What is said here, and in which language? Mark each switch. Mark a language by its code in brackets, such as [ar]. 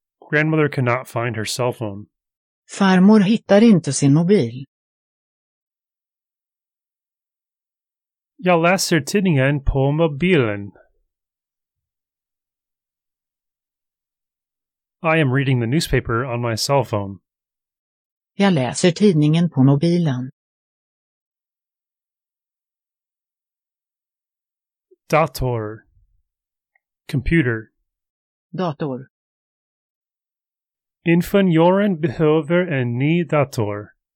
[en] Grandmother cannot find her cell phone. [sv] Farmor hittar inte sin mobil. Jag läser tidningen på mobilen. [en] I am reading the newspaper on my cell phone. [sv] Jag läser tidningen på mobilen. Dator. [en] Computer. [sv] Dator. Ingenjören behöver en ny dator.